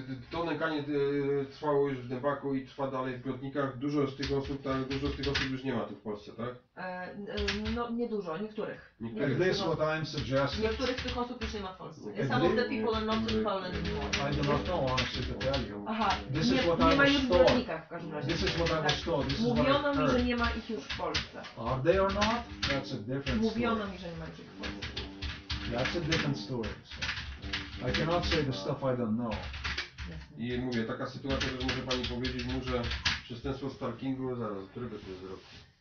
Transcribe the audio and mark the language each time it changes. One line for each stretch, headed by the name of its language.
Polish: To nękanie trwało już w Dębaku i trwa dalej w Grodnikach. Dużo z tych osób, tak, dużo z tych osób już nie ma tu w Polsce, tak? No nie dużo, niektórych. Niektórych z tych osób już nie ma w Polsce.
English: Some of the people are not in Poland anymore. I do not know, honestly to tell you.
Polish: Nie ma już w Grodnikach w każdym razie. Mówiono mi, że nie ma ich już w Polsce.
English: Are they or not? That's a different story.
Polish: Mówiono mi, że nie ma ich już w Polsce.
English: That's a different story. So I cannot say the stuff I don't know.
Polish: I mówię, taka sytuacja, że może pani powiedzieć mu, że przestępstwo stalkingu, zaraz, który by to zrobił?